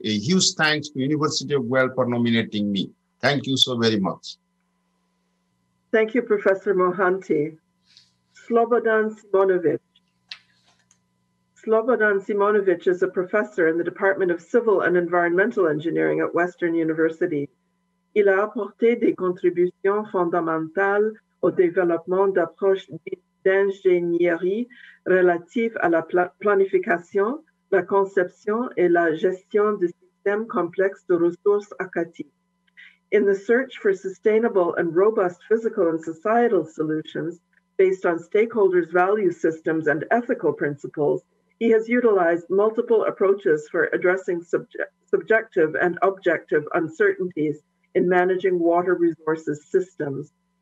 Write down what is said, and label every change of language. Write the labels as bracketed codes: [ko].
[en] A huge thanks to University of Guelph for nominating me. Thank you so very much. Thank you, Professor Mohanty. Slobodan Simonovic. Slobodan Simonovic is a professor in the Department of Civil and Environmental Engineering at Western University. [fr] Il a apporté des contributions fondamentales au développement d'approches d'ingénierie relatives à la planification, la conception et la gestion de systèmes complexes de ressources aquatiques. [en] In the search for sustainable and robust physical and societal solutions based on stakeholders' value systems and ethical principles, he has utilized multiple approaches for addressing subjective and objective uncertainties in managing water resources systems.